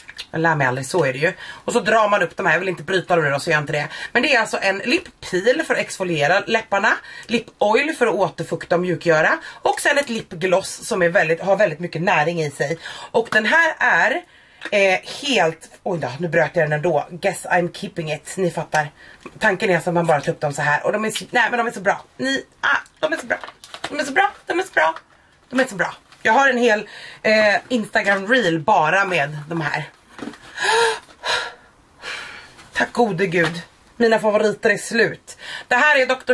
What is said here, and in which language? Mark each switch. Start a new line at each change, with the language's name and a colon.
Swedish: Jag lär mig aldrig, så är det ju. Och så drar man upp de här, jag vill inte bryta dem nu då, så gör jag inte det. Men det är alltså en lip peel för att exfoliera läpparna. Lip oil för att återfukta och mjukgöra. Och sen ett lip gloss som är väldigt, har väldigt mycket näring i sig. Och den här är helt... Oj då, nu bröt jag den ändå.
English: Guess I'm keeping it,
Swedish: ni fattar. Tanken är att man bara tar upp dem så här. Och de är så, nej, men de är så bra. Ni, de är så bra. De är så bra, de är så bra. De är så bra. Jag har en hel Instagram reel bara med de här. Tack gode gud. Mina favoriter är slut. Det här är Dr.